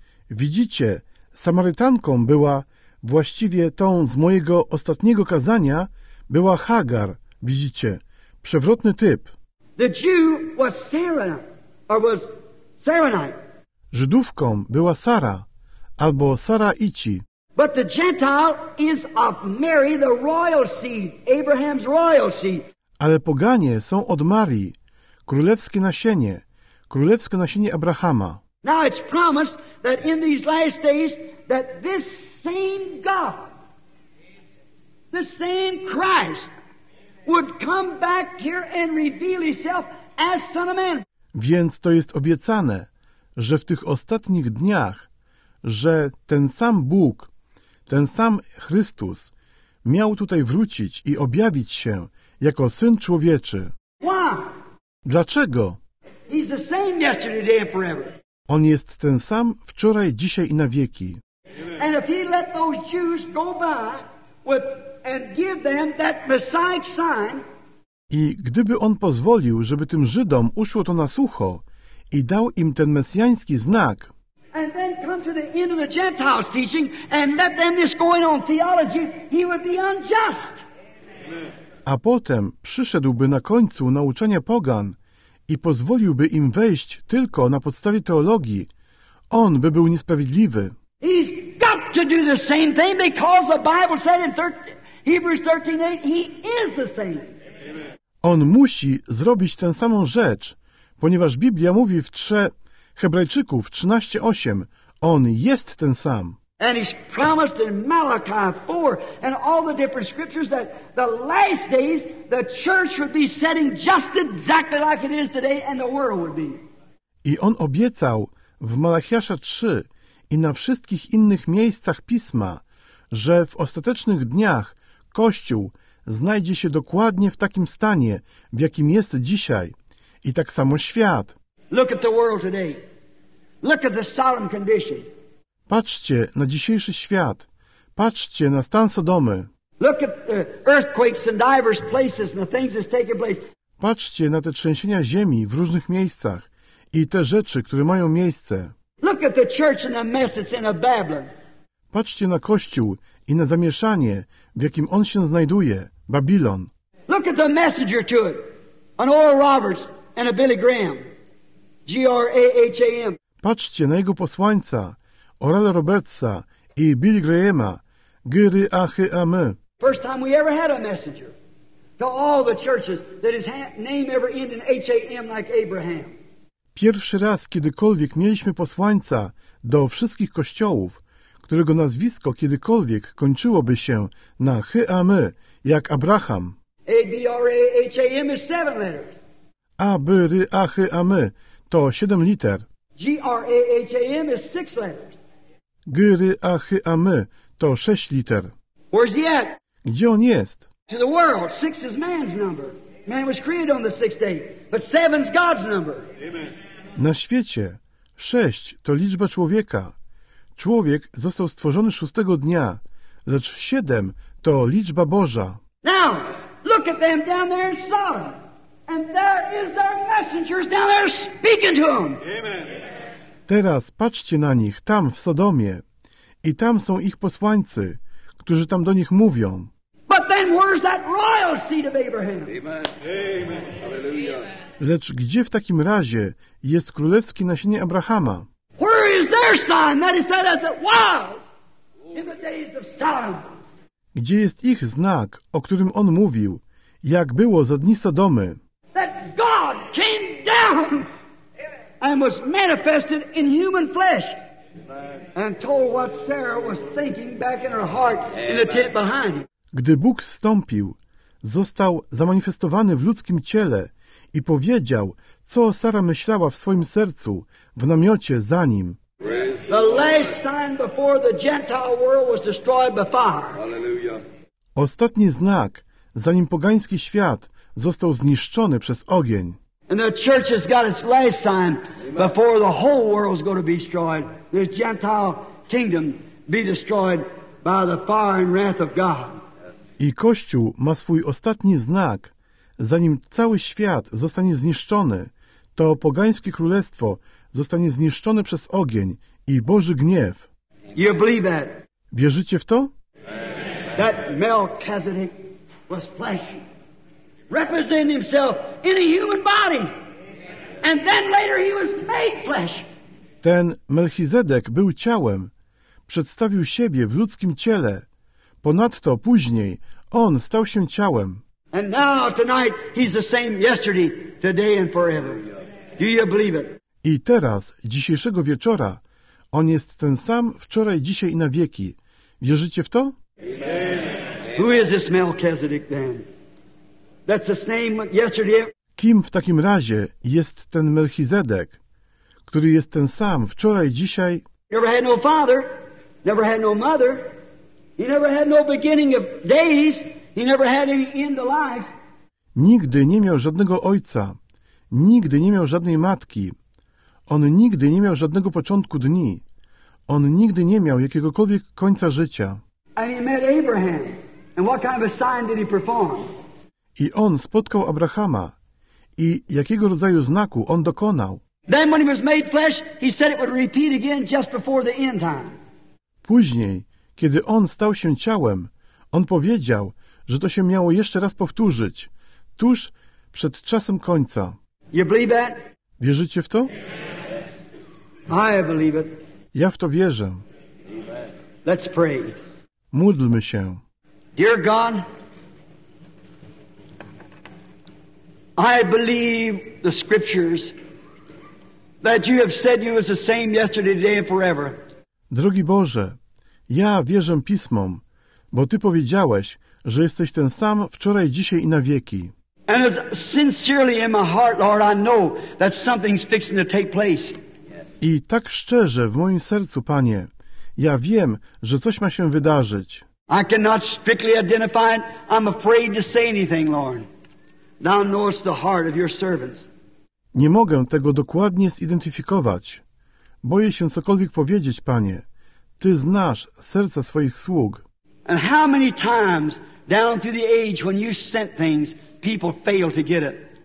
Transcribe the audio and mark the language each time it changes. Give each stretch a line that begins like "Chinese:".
Polish: Widzicie, Samarytanką była, właściwie tą z mojego ostatniego kazania, była Hagar, widzicie, przewrotny typ.
English: The Jew was Sarah, or was Saronite.
Polish: Żydówką była Sara, albo Sara Ici.
English: But the Gentile is of Mary, the royal seed, Abraham's royal seed.
Polish: Ale poganie są od Marii, królewskie nasienie Abrahama.
English: Now it's promised that in these last days that this same God, the same Christ, would come back here and reveal himself as Son of Man.
Polish: Więc to jest obiecane, że w tych ostatnich dniach, że ten sam Bóg, ten sam Chrystus miał tutaj wrócić i objawić się jako Syn Człowieczy.
English: Why?
Polish: Dlaczego?
English: He's the same yesterday, today and forever.
Polish: On jest ten sam wczoraj, dzisiaj i na wieki.
English: And if he let those Jews go by with, and give them that Messiah sign,
Polish: i gdyby on pozwolił, żeby tym Żydom uszło to na sucho i dał im ten mesjański znak,
English: and then come to the end of the Gentiles teaching and let them this going on theology, he would be unjust.
Polish: A potem przyszedłby na końcu nauczania pogan i pozwoliłby im wejść tylko na podstawie teologii, on by był niesprawiedliwy.
English: He's got to do the same thing because the Bible said in Hebrews 13:8, he is the same.
Polish: On musi zrobić tę samą rzecz, ponieważ Biblia mówi w Hebrajczyków 13:8, on jest ten sam.
English: And he's promised in Malachi 4 and all the different scriptures that the last days the church would be setting just exactly like it is today and the world would be.
Polish: I on obiecał w Malachiasza 3 i na wszystkich innych miejscach Pisma, że w ostatecznych dniach Kościół znajdzie się dokładnie w takim stanie, w jakim jest dzisiaj, i tak samo świat.
English: Look at the world today. Look at the solemn condition.
Polish: Patrzcie na dzisiejszy świat. Patrzcie na stan Sodomy.
English: Look at the earthquakes in diverse places and the things that's taking place.
Polish: Patrzcie na te trzęsienia ziemi w różnych miejscach i te rzeczy, które mają miejsce.
English: Look at the church and the mess that's in Babylon.
Polish: Patrzcie na kościół i na zamieszanie, w jakim on się znajduje, Babilon.
English: Look at the messenger to it, an Oral Roberts and a Billy Graham. G-R-A-H-A-M.
Polish: Patrzcie na jego posłańca, Orala Robertsa i Billy Grahama, G-R-A-H-A-M.
English: First time we ever had a messenger to all the churches that his name ever ended in H-A-M like Abraham.
Polish: Pierwszy raz kiedykolwiek mieliśmy posłańca do wszystkich kościołów, którego nazwisko kiedykolwiek kończyłoby się na H-A-M jak Abraham.
English: A-B-R-A-H-A-M is seven letters.
Polish: A-B-R-A-H-A-M to 7 liter.
English: G-R-A-H-A-M is 6 letters.
Polish: G-R-A-H-A-M to 6 liter.
English: Where's he at?
Polish: Gdzie on jest?
English: To the world. 6 is man's number. Man was created on the 6th day. But 7 is God's number. Amen.
Polish: Na świecie 6 to liczba człowieka. Człowiek został stworzony 6 dnia, lecz 7 to liczba Boża.
English: Now, look at them down there in Sodom. And there is their messengers down there speaking to them.
Polish: Teraz patrzcie na nich tam w Sodomie i tam są ich posłańcy, którzy tam do nich mówią.
English: But then where's that royal seed of Abraham? Amen.
Polish: Lecz gdzie w takim razie jest królewskie nasienie Abrahama?
English: Where is their sign that is said as it was in the days of Sodom?
Polish: Gdzie jest ich znak, o którym on mówił, jak było za dni Sodomy?
English: That God came down and was manifested in human flesh and told what Sarah was thinking back in her heart in the tent behind him.
Polish: Gdy Bóg zstąpił, został zamanifestowany w ludzkim ciele i powiedział, co Sara myślała w swoim sercu, w namiocie za nim.
English: The last sign before the Gentile world was destroyed by fire.
Polish: Ostatni znak, zanim pogański świat został zniszczony przez ogień.
English: And the church has got its last sign before the whole world is going to be destroyed. This Gentile kingdom be destroyed by the fire and wrath of God.
Polish: I Kościół ma swój ostatni znak, zanim cały świat zostanie zniszczony, to pogańskie królestwo zostanie zniszczone przez ogień i Boży gniew.
English: You believe that?
Polish: Wierzycie w to?
English: That Melchizedek was flesh, representing himself in a human body, and then later he was made flesh.
Polish: Ten Melchizedek był ciałem, przedstawił siebie w ludzkim ciele. Ponadto później on stał się ciałem.
English: And now tonight he's the same yesterday, today and forever. Do you believe it?
Polish: I teraz, dzisiejszego wieczora, on jest ten sam wczoraj, dzisiaj i na wieki. Wierzycie w to? Amen.
English: Who is this Melchizedek then? That's the same yesterday.
Polish: Kim w takim razie jest ten Melchizedek, który jest ten sam wczoraj, dzisiaj?
English: Never had no father, never had no mother. He never had no beginning of days. He never had any end of life.
Polish: Nigdy nie miał żadnego ojca. Nigdy nie miał żadnej matki. On nigdy nie miał żadnego początku dni. On nigdy nie miał jakiegokolwiek końca życia.
English: And he met Abraham. And what kind of a sign did he perform?
Polish: I on spotkał Abrahama. I jakiego rodzaju znaku on dokonał?
English: Then when he was made flesh, he said it would repeat again just before the end time.
Polish: Później, kiedy on stał się ciałem, on powiedział, że to się miało jeszcze raz powtórzyć, tuż przed czasem końca.
English: You believe that?
Polish: Wierzycie w to?
English: I believe it.
Polish: Ja w to wierzę.
English: Let's pray.
Polish: Módlmy się.
English: Dear God, I believe the scriptures that you have said you was the same yesterday, today and forever.
Polish: Drogi Boże, ja wierzę Pismom, bo Ty powiedziałeś, że jesteś ten sam wczoraj, dzisiaj i na wieki.
English: And as sincerely in my heart, Lord, I know that something's fixing to take place.
Polish: I tak szczerze w moim sercu, Panie, ja wiem, że coś ma się wydarzyć.
English: I cannot strictly identify it. I'm afraid to say anything, Lord. Thou knowest the heart of your servants.
Polish: Nie mogę tego dokładnie zidentyfikować. Boję się cokolwiek powiedzieć, Panie. Ty znasz serca swoich sług.
English: And how many times down through the age when you sent things, people failed to get it.